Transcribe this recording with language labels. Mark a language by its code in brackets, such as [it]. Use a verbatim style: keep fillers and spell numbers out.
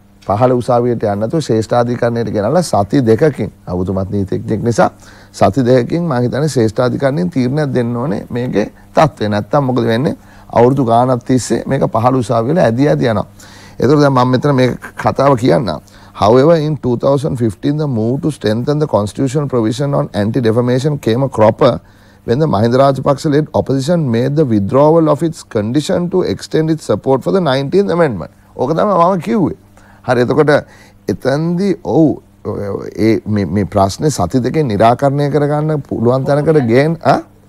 [si] පහළ උසාවියට යන්න නැතුව ශ්‍රේෂ්ඨාධිකරණයට ගෙනල්ලා සති දෙකකින් අවුතුමත් නීතිඥෙක් නිසා සති දෙකකින් මං හිතන්නේ ශ්‍රේෂ්ඨාධිකරණයෙන් තීරණයක් දෙන්න ඕනේ මේකේ තත්ත්වය. නැත්තම් මොකද වෙන්නේ? අවුරුදු ගානක් තිස්සේ මේක පහළ උසාවියට ඇදී ඇදී යනවා. ඒතකොට දැන් මම මෙතන මේ කතාව කියන්නම්. [en] However, in twenty fifteen the move to strengthen the constitutional provision on anti-defamation came a cropper when the Mahinda Rajapaksa led opposition made the withdrawal of its condition to extend its support for the nineteenth amendment. [si] ඕක තමයි මම කිව්වේ. හරි එතකොට එතෙන්දී ඔව් ඒ මේ මේ ප්‍රශ්නේ සති දෙකෙන් निराකරණය කරගන්න පුළුවන් තැනකට ගේන ආ